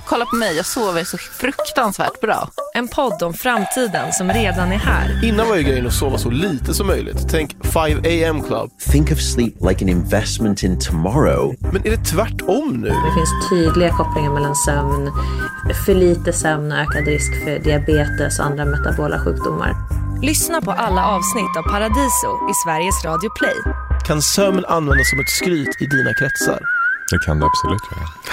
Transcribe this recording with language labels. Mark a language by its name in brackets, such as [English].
[Swedish] Kolla på mig, jag sover så fruktansvärt bra. En podd om framtiden som redan är här. Innan var ju grejen att sova så lite som möjligt. Tänk 5 AM Club. [English] Think of sleep like an investment in tomorrow. [Swedish] Men är det tvärtom nu? Det finns tydliga kopplingar mellan sömn, för lite sömn och ökad risk för diabetes och andra metabola sjukdomar. Lyssna på alla avsnitt av Paradiso i Sveriges Radio Play. Kan sömn användas som ett skryt i dina kretsar? Det kan det absolut vara.